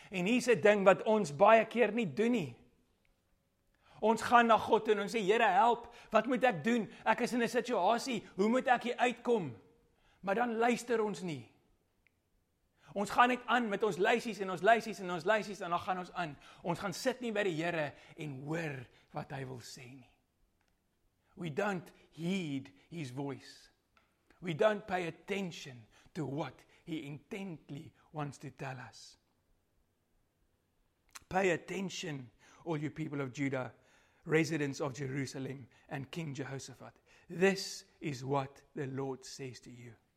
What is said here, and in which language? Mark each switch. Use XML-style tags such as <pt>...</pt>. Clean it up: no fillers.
<af>En hier's 'n ding wat ons baie keer nie doen nie. Ons gaan na God en ons sê, Here, help, wat moet ek doen? Ek is in 'n situasie, hoe moet ek hier uitkom? Maar dan luister ons nie. Ons gaan net aan met ons lysies en ons lysies en ons lysies en dan gaan ons aan. Ons gaan sit nie by die Here en hoor wat hy wil sê nie.</af> <en>We don't heed his voice. We don't pay attention to what he intently wants to tell us. Pay attention, all you people of Judah, residents of Jerusalem and King Jehoshaphat. This is what the Lord says to you.</en>